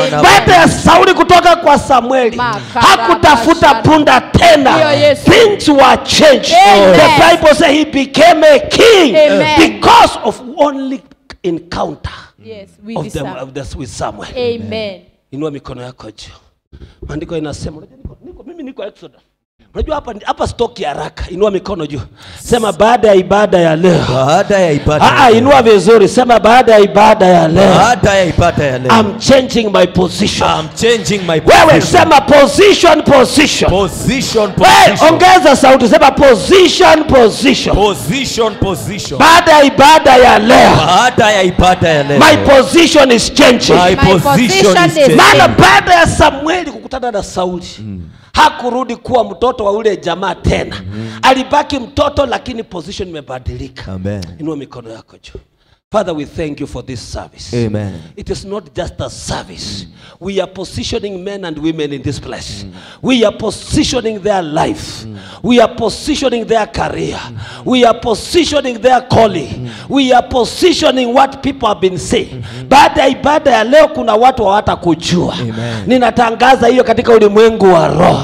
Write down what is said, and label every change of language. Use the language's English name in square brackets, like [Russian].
[Swahili] Baada ya Sauli kutoka kwa Samueli, kutafuta punda tena. [English] Things were changed. Amen. The Bible says he became a king. Amen. Because of only encounter. Yes, with Samuel. Amen. [Swahili] Inua mikono yako juu. Maandiko inasema, mimi niko Exodus. Unajua hapa stoki haraka. Inua mikono juu. Sema baada ya ibada ya leo. Baada ya ibada. Inua vizuri. Sema baada ya ibada ya leo. Baada ya ibada ya leo. [English] I'm changing my position. I'm changing my position. [Swahili] Wewe sema position, position. [English] Position, position. [Swahili] Wewe ongeza sauti. Sema position, position. [English] Position, position. [Swahili] Baada ya ibada ya leo. Baada ya ibada ya leo. [English] My position is changing. My position is changing. [Swahili] Maana baada ya Samueli kukutana na Sauli, hakurudi kuwa mtoto wa ule jamaa tena. Mm-hmm. Alibaki mtoto lakini position imebadilika. [English] Amen. [Swahili] Inua mikono yako juu. [English] Father, we thank you for this service. Amen. It is not just a service. Mm-hmm. We are positioning men and women in this place. Mm-hmm. We are positioning their life. Mm-hmm. We are positioning their career. Mm-hmm. We are positioning their calling. Mm-hmm. We are positioning what people have been saying. Mm-hmm. [Swahili] Baada ya ibada ya leo kuna watu hawatakujua. Ninatangaza hiyo katika ulimwengu wa roho.